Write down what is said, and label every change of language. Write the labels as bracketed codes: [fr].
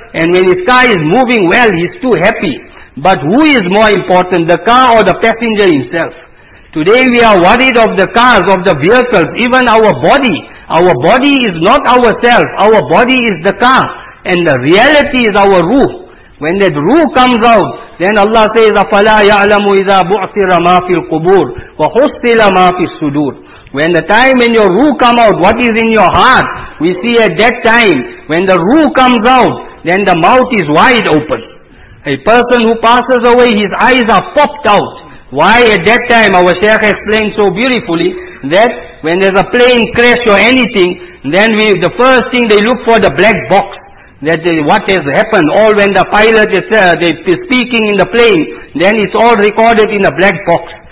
[en] And when his car is moving well, he's too happy. But who is more important, the car or the passenger himself? Today we are worried of the cars, of the vehicles, even our body. Our body is not ourselves. Our body is the car. And the reality is our ruh. When that ruh comes out, then Allah says, [ar] أَفَلَا يَعْلَمُ إِذَا بُعْثِرَ مَا فِي الْقُبُورِ وَحُسِّلَ مَا فِي الصُّدُورِ. [en] When the time when your ruh comes out, what is in your heart? We see at that time, when the ruh comes out, then the mouth is wide open. A person who passes away, his eyes are popped out. Why at that time, our Shaykh explained so beautifully, that when there's a plane crash or anything, then the first thing they look for the black box, that is what has happened, all when the pilot is speaking in the plane, then it's all recorded in a black box.